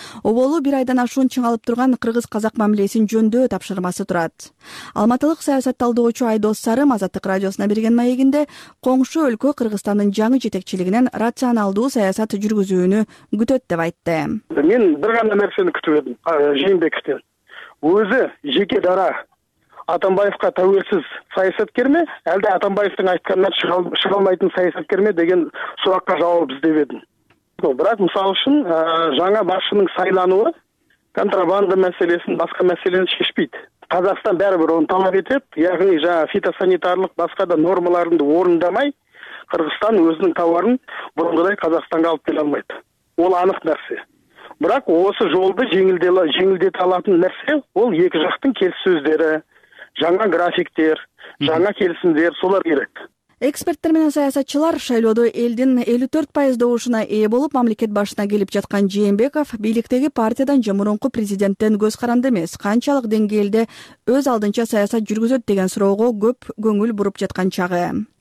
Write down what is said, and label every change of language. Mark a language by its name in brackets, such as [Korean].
[Kyrgyz] Оболу бир айдан ашуун чыңалып турган кыргыз казак мамилесин жөндөө тапшырмасы турат. Алматылык саясат талдоочу Айдос Сарым Азаттык радиосуна берген маегинде коңшу өлкө Кыргызстандын жаңы жетекчилигинен рационалдуу саясат жүргүзүүнү күтөт деп айтты. Мен бир гана нерсени күтүп эдим Жээнбековтен. [Kazakh] Өзү жеке дара Атамбаевка тәуелсіз саясаткер ме, әлде Атамбаевтың айтқанынан шығалмайтын саясаткер ме деген сұраққа жауап іздеп едім. Бірақ мысал үшін жаңа басшының сайлануы контрабанда мәселесін, басқа мәселені шешпейді. Қазақстан бәрібір оны талап етеді, яғни жаңа фитосанитарлық басқа да нормаларды орындамай, Қырғызстан өзінің тауарын бұрынғыдай Қазақстанға алып келе алмайды. Ол анық нәрсе. Бірақ осы жолды жеңілдете алатын нәрсе ол екі жақтың келіссөздері. Жаңа графиктер, жаңа келісімдер солар керек. [Kyrgyz] Эксперттер менен саясатчылар шайлоодо элдин 54% добушуна ээ болуп мамлекет башына келип жаткан Жээнбеков бийликтеги партиядан же мурунку президенттен көз каранды эмес, канчалык деңгээлде өз алдынча саясат жүргүзөт деген суроого көп көңүл буруп жаткан чагы.